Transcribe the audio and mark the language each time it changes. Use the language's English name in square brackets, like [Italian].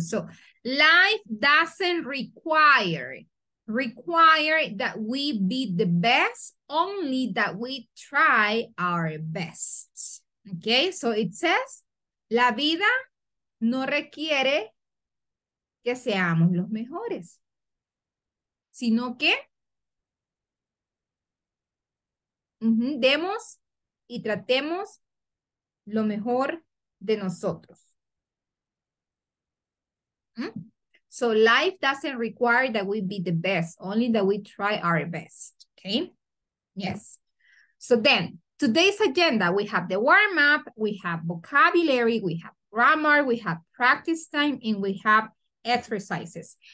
[English] So life doesn't require that we be the best, only that we try our best. Okay, so it says, [Spanish] la vida no requiere que seamos los mejores, sino que demos y tratemos lo mejor de nosotros. [English] So life doesn't require that we be the best, only that we try our best, okay? Yes. So then, today's agenda, we have the warm-up, we have vocabulary, we have grammar, we have practice time, and we have exercises.